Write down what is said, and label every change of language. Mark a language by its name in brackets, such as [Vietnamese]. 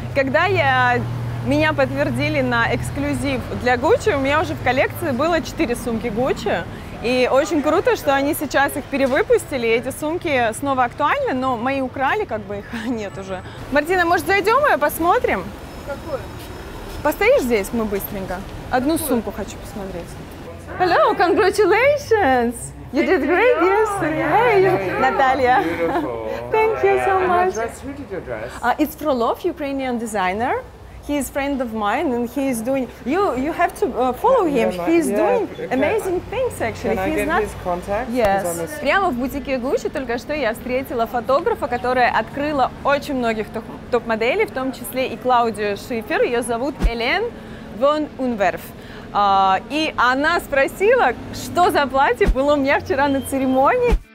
[Russian] Когда меня подтвердили на эксклюзив для Gucci, у меня уже в коллекции было 4 сумки Gucci. И очень круто, что они сейчас их перевыпустили, и эти сумки снова актуальны, но мои украли, как бы их нет уже. Мартина, может, зайдем и посмотрим? Какое? Постоишь здесь, мы быстренько? Одну Какое? Сумку хочу посмотреть. [English] Hello, congratulations! You did great yesterday. Hey, Natalia. Thank you so much. It's Frolov, Ukrainian designer. He's a friend of mine, and he's doing... You have to follow him. He's doing amazing things, actually. Can I get his contact? Yes. [Russian] Прямо в бутике Gucci только что я встретила фотографа, которая открыла очень многих топ-моделей, в том числе и Клаудию Шифер. Ее зовут Элен Вон Унверф. И она спросила, что за платье было у меня вчера на церемонии.